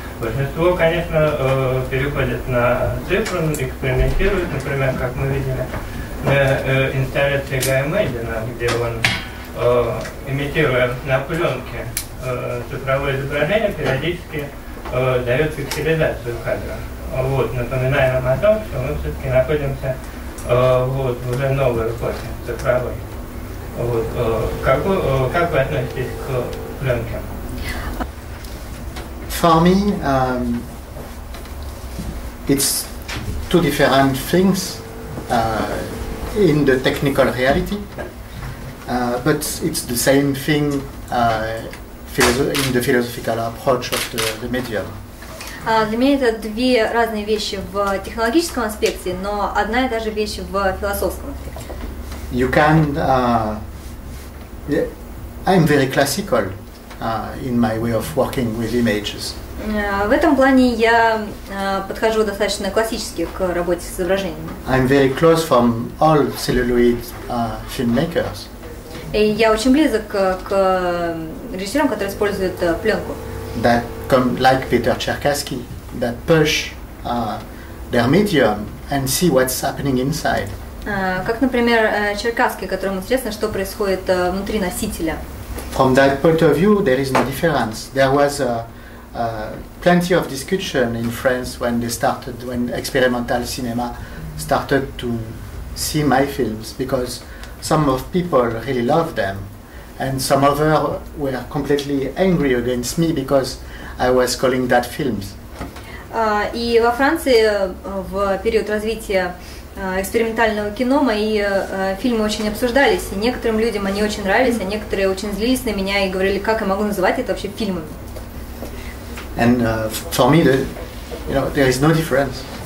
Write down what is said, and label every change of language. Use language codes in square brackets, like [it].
[ru] Большинство, конечно, переходит на цифру, экспериментирует, например, как мы видели на инсталляции Гая Мэйдена, где он, имитируя на пленке цифровое изображение, периодически дает фиксилизацию кадра. Вот, напоминая нам о том, что мы все-таки находимся вот, в уже новой эпохе цифровой. Вот, как вы относитесь к пленке? [en] For me, it's two different things in the technical reality, but it's the same thing in the philosophical approach of the medium. [ru] Для меня это две разные вещи в технологическом аспекте, но одна и та же вещь в философском аспекте. [en] You can, I'm very classical in my way of working with images. [ru] В этом плане я подхожу достаточно классически к работе с изображениями. [en] I'm very close from all celluloid filmmakers. [ru] И я очень близок к режиссерам, которые используют пленку. [en] That come like Peter Черкасский, that push their medium and see what's happening inside. [ru] Как, например, Черкасский, которому интересно, что происходит внутри носителя. [en] From that point of view, there is no difference. There was plenty of discussion in France when experimental cinema started to see my films, because some of people really loved them and some other were completely angry against me because I was calling that films. [ru] И во Франции в период развития экспериментального кино мои фильмы очень обсуждались, и некоторым людям они очень нравились, а некоторые очень злились на меня и говорили, как я могу называть это вообще фильмами. [en] And for me, there is no difference.